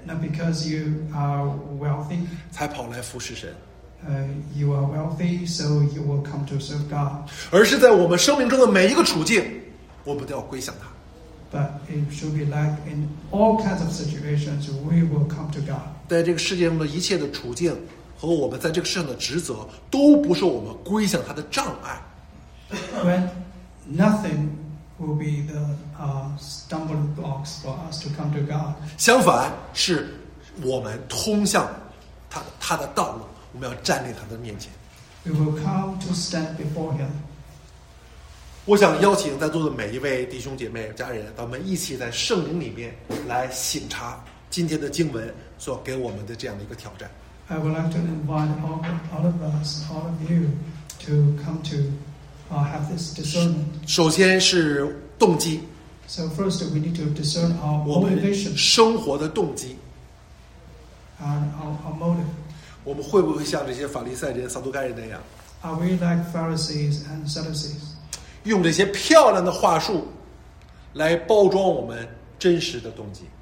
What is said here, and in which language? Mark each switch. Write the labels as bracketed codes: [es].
[en] Not because you are wealthy. [zh] 才跑来服侍神。 [en] You are wealthy, so you will come to serve God. [zh] 而是在我们生命中的每一个处境，我们都要归向他。 [en] But it should be like in all kinds of situations, we will come to God. [zh] 在这个世界中的一切的处境和我们在这个世上的职责，都不是我们归向他的障碍。 [en] When Nothing will be the stumbling blocks for us to come to God. [zh] 相反，是我们通向他的道路，我们要站在他的面前。 [en] We will come to stand before Him. [zh] 我想邀请在座的每一位弟兄姐妹、家人，我们一起在圣灵里面来省察今天的经文所给我们的这样的一个挑战。 [en] I would like to invite all of us, all of you, to come to. Have this discernment. [zh] 首先是动机。 [en] So first, we need to discern our motivation. [zh] 我们生活的动机。 [en] And our motive. [zh] 我们会不会像这些法利赛人、撒都该人那样 [en] ？Are we like Pharisees and Sadducees? [zh] 用这些漂亮的话术来包装我们真实的动机